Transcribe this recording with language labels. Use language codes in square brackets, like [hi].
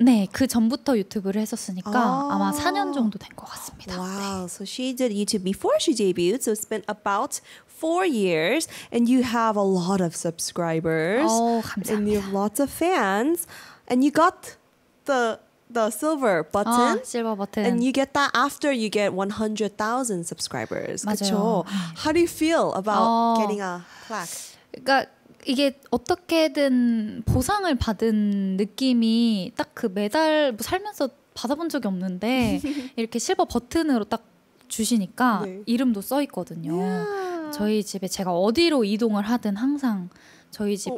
[ko] 네, 그 전부터 유튜브를 했었으니까 아. 아마 4년 정도 된 것 같습니다. [en] Wow, [ko] 네. [en] so she did YouTube before she debuted, so it's been about 4 years, and you have a lot of subscribers. [ko] 오, 감사합니다. [en] And you have lots of fans, and you got the silver button. [ko] 아, 실버 버튼. [en] And you get that after you get 100,000 subscribers. [ko] 맞아요. 그쵸? [en] How do you feel about 어, getting a plaque? [ko] 그러니까 이게 어떻게든 보상을 받은 느낌이 딱 그 메달 뭐 살면서 받아본 적이 없는데 이렇게 실버 버튼으로 딱 주시니까 네. 이름도 써 있거든요. [en] Yeah. [ko] 저희 집에 제가 어디로 이동을 하든 항상 저희 집 어.